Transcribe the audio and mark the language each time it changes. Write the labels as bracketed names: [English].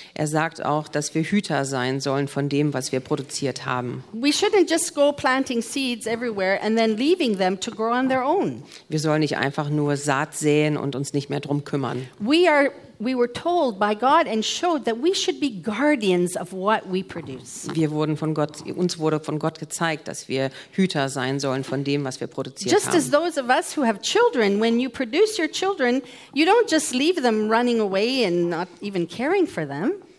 [German] Er sagt auch, dass wir Hüter sein sollen von dem, was wir produziert haben. [English] We shouldn't just go planting seeds everywhere and then leaving them to grow on their own. [German] Wir sollen nicht einfach nur Saat säen und uns nicht mehr drum kümmern. [English] We were told by God and showed that we should be guardians of what we produce. [German] Uns wurde von Gott gezeigt, dass wir Hüter sein sollen von dem, was wir produziert haben. [English] Just as those of us who have children, when you produce your children, you don't just leave them running away and not even caring for them.